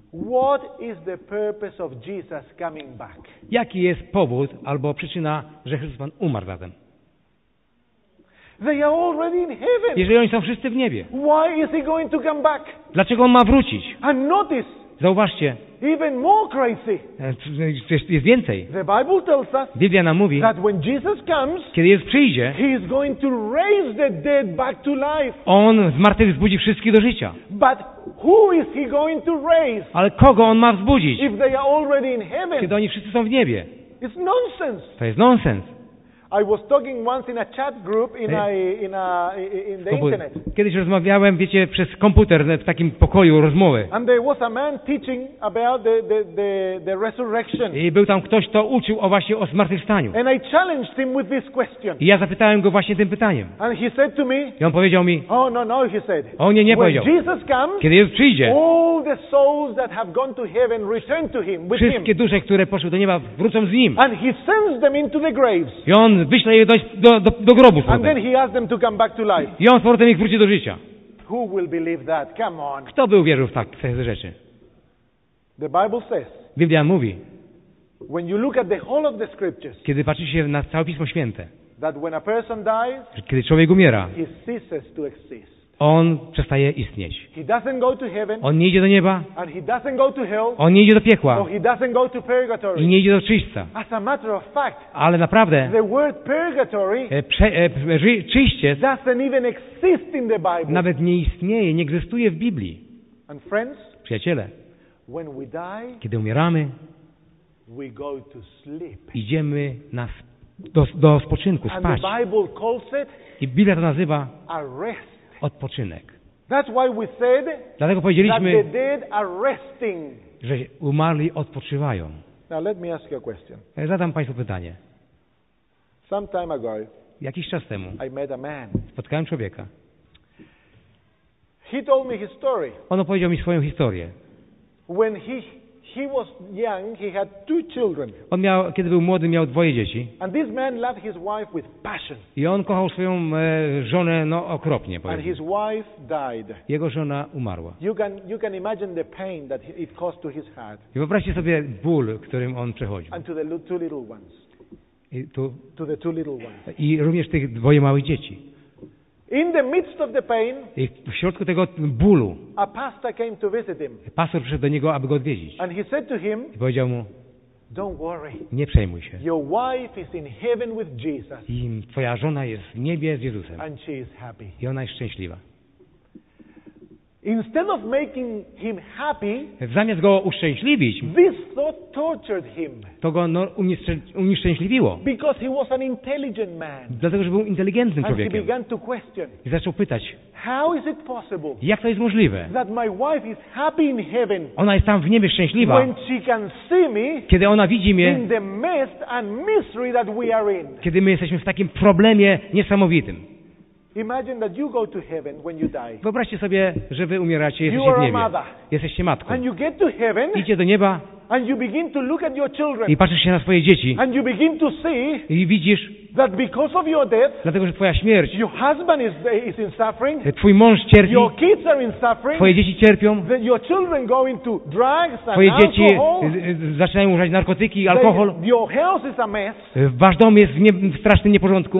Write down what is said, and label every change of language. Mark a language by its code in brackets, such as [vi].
[en] What is the purpose of Jesus coming back? [pl] Jaki jest powód albo przyczyna, że Chrystus Pan umarł zatem? [en] They are already in heaven. [pl] Jeżeli oni są wszyscy w niebie. [en] Why is he going to come back? [pl] Dlaczego on ma wrócić? [en] And notice. [pl] Zauważcie. [en] Even more crazy. [pl] Jest więcej. [en] The Bible tells us, [pl] Biblia nam mówi, [en] that when Jesus comes, [pl] kiedy Jezus przyjdzie, [en] he is going to raise the dead back to life. [pl] On zmartwychwzbudzi wszystkich do życia. [en] But who is he going to raise? [pl] Ale kogo on ma wzbudzić? [en] If they are already in heaven. [pl] Kiedy oni wszyscy są w niebie. [en] It's nonsense. [pl] To jest nonsense. [en] I was talking once in a chat group in the internet. [pl] Kiedyś rozmawiałem, wiecie, przez komputer w takim pokoju rozmowy. [en] And there was a man teaching about the resurrection. [pl] I był tam ktoś, kto uczył o właśnie o zmartwychwstaniu. [en] And I challenged him with this question. [pl] I ja zapytałem go właśnie tym pytaniem. [en] And he said to me. [pl] I on powiedział mi. [en] Oh no, he said. [pl] O nie, nie powiedział. [en] When Jesus comes, [pl] kiedy Jezus przyjdzie, [en] all the souls that have gone to heaven return to him. With [pl] wszystkie [en] him. [pl] Dusze, które poszły do nieba, wrócą z nim. [en] And he sends them into the graves. [pl] I on wyśle je do grobu. [en] And then he asked them to come back to life. [pl] I on z powrotem ich wróci do życia. [en] Who will believe that? Come on. [pl] Kto by uwierzył w takie rzeczy? [en] The Bible says, [pl] Biblia mówi, [en] when you look at the whole of the scriptures, [pl] kiedy patrzy się na całe Pismo Święte, [en] that when a person dies, [pl] kiedy człowiek umiera, [en] he ceases to exist. [pl] On przestaje istnieć. [en] He doesn't go to heaven, [pl] on nie idzie do nieba. [en] And he doesn't go to hell, [pl] on nie idzie do piekła. [en] No, he doesn't go to purgatory. [pl] I nie idzie do czyśćca. [en] As a matter of fact, [pl] ale naprawdę, [en] the word purgatory, [pl] czyście, [en] doesn't even exist in the Bible. [pl] Nawet nie istnieje, nie egzystuje w Biblii. [en] And friends, [pl] przyjaciele, [en] when we die, [pl] kiedy umieramy, [en] we go to sleep. [pl] Idziemy na do spoczynku, spać. [en] And the Bible calls it, [pl] i Biblia to nazywa [en] a rest. [pl] Odpoczynek. [en] That's why we said, [pl] dlatego powiedzieliśmy, [en] that the dead are resting, [pl] że umarli odpoczywają. [en] Now let me ask you a question. [pl] Zadam Państwu pytanie. [en] Some time ago, [pl] jakiś czas temu, [en] I met a man. [pl] Spotkałem człowieka. [en] He told me his story. [pl] On opowiedział mi swoją historię. [en] When he was young, he had two children. [pl] On miał, kiedy był młody, miał dwoje dzieci. [en] And this man loved his wife with passion. [pl] I on kochał swoją żonę okropnie, powiedzmy. [en] And his wife died. [pl] Jego żona umarła. [en] You can imagine the pain that it caused to his heart. [pl] I wyobraźcie sobie ból, którym on przechodził. [en] And to the two little ones. To the two little ones. [pl] I również tych dwoje małych dzieci. [en] In the midst of the pain, [pl] i w środku tego bólu, [en] a pastor came to visit him. [pl] Pastor przyszedł do niego, aby go odwiedzić. [en] And he said to him, [pl] i powiedział mu, [en] don't worry, [pl] nie przejmuj się. [en] Your wife is in heaven with Jesus. [pl] I twoja żona jest w niebie z Jezusem. [en] And she is happy. [pl] I ona jest szczęśliwa. [en] Instead of making him happy, [pl] zamiast go uszczęśliwić, [en] this thought tortured him. [pl] To go unieszczęśliwiło. [en] Because he was an intelligent man. [pl] Dlatego, że był inteligentnym [en] and [pl] człowiekiem. [en] He began to question, [pl] i zaczął pytać, [en] how is it possible, [pl] jak to jest możliwe, [en] that my wife is happy in heaven, [pl] ona jest tam w niebie szczęśliwa, [en] when she can see me, [pl] kiedy ona widzi mnie, [en] in the mist and mystery that we are in. [pl] Kiedy my jesteśmy w takim problemie niesamowitym. [en] Imagine that you go to heaven when you die. [pl] Wyobraźcie sobie, że wy umieracie, jesteście [en] you are [pl] w niebie. [en] A mother. [pl] Jesteście matką. [en] And you get to heaven, [pl] idzie do nieba. [en] And you begin to look at your children. [pl] I patrzysz się na swoje dzieci. [en] And you begin to see, [pl] i widzisz, [en] that because of your death, [pl] dlatego, że twoja śmierć, [en] your husband is in suffering, [pl] twój mąż cierpi, [en] your kids are in suffering, [pl] twoje dzieci cierpią, [en] then your children go into drugs and [pl] twoje dzieci [en] alcohol, [pl] zaczynają używać narkotyki, alkohol, [en] your health is a mess, [pl] wasz dom jest w strasznym nieporządku.